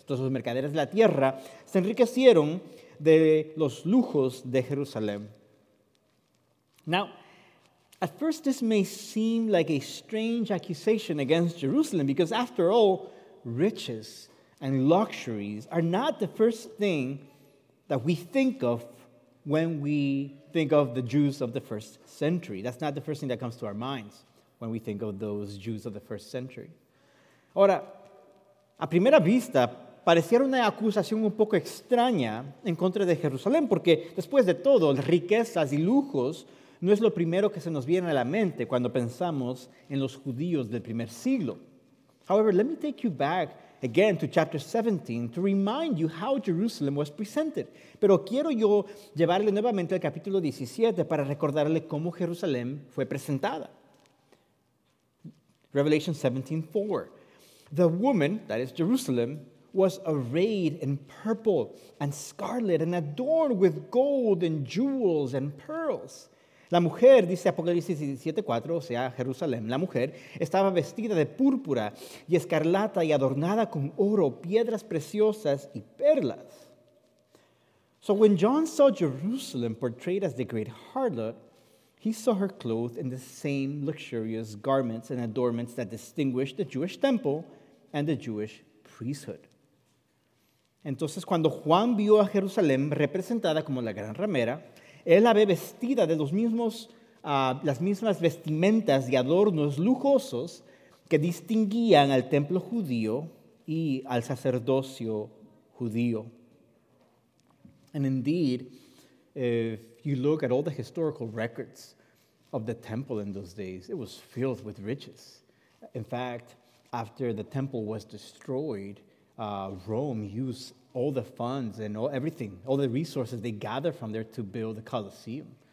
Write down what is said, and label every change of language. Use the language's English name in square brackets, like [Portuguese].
[Spanish] Entonces, los mercaderes de la tierra se enriquecieron de los lujos de Jerusalén. [English] Now, at first this may seem like a strange accusation against Jerusalem, because after all, riches and luxuries are not the first thing that we think of when we think of the Jews of the first century. That's not the first thing that comes to our minds when we think of those Jews of the first century. [Spanish] Ahora, a primera vista, pareciera una acusación un poco extraña en contra de Jerusalén, porque después de todo, riquezas y lujos no es lo primero que se nos viene a la mente cuando pensamos en los judíos del primer siglo. [English] However, let me take you back again to chapter 17 to remind you how Jerusalem was presented. [Spanish] Pero quiero yo llevarle nuevamente al capítulo 17 para recordarle cómo Jerusalén fue presentada. [English] Revelation 17:4. The woman, that is Jerusalem, was arrayed in purple and scarlet and adorned with gold and jewels and pearls. [Spanish] La mujer, dice Apocalipsis 17:4, o sea, Jerusalén, la mujer, estaba vestida de púrpura y escarlata y adornada con oro, piedras preciosas y perlas. [English] So when John saw Jerusalem portrayed as the great harlot, he saw her clothed in the same luxurious garments and adornments that distinguished the Jewish temple and the Jewish priesthood. [Spanish] Entonces, cuando Juan vio a Jerusalén representada como la gran ramera, él la ve vestida de los mismos, las mismas vestimentas y adornos lujosos que distinguían al templo judío y al sacerdocio judío. [English] And indeed, if you look at all the historical records of the temple in those days, it was filled with riches. In fact, after the temple was destroyed, Rome used all the funds and all everything, all the resources they gathered from there to build the Colosseum.